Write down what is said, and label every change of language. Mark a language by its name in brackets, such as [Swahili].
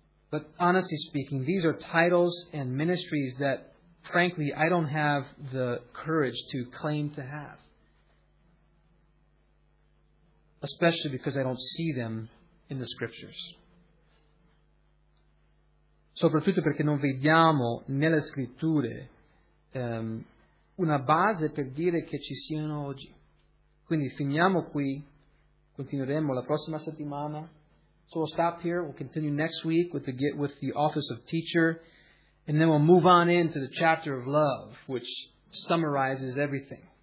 [English] But honestly speaking, these are titles and ministries that, frankly, I don't have the courage to claim to have. Especially because I don't see them in the scriptures. [Italian] Soprattutto perché non vediamo nelle scritture una base per dire che ci siano oggi. Quindi finiamo qui, continueremo la prossima settimana. [English] So we'll stop here, we'll continue next week with the office of teacher, and then we'll move on into the chapter of love, which summarizes everything.